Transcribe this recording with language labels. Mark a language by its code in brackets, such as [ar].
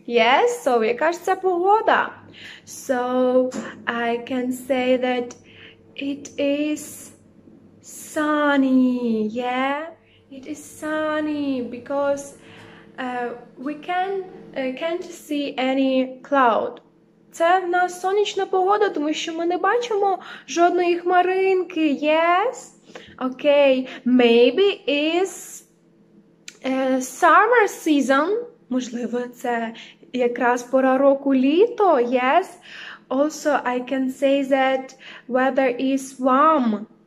[en] Yes, so [uk] яка ж ця погода? [en] So, I can say that it is sunny, yeah? It is sunny because we can't see any cloud. [uk] Це в нас сонячна погода, тому що ми не бачимо жодної хмаринки. [en] Yes? Okay. Maybe is summer season. [uk] Можливо, це якраз пора року літо. [en] Yes? Also, I can say that weather is warm.